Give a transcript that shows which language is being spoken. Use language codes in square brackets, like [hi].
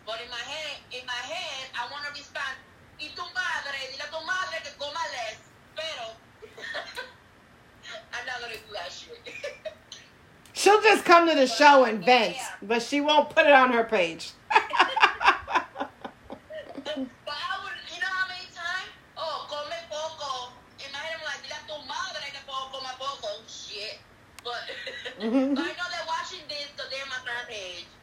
[en] But in my head, I want to respond, [es] y tu madre, dile a tu madre que coma [en] less, pero I'm not gonna do that shit. She'll just come to the show and vent, but she won't put it on her page. But I would, you know how many times? [es] Oh, come poco. [en] Imagine, like, [es] dile a tu madre que puedo comer poco. [en] Shit. But I know they're watching this, so they're my fan page.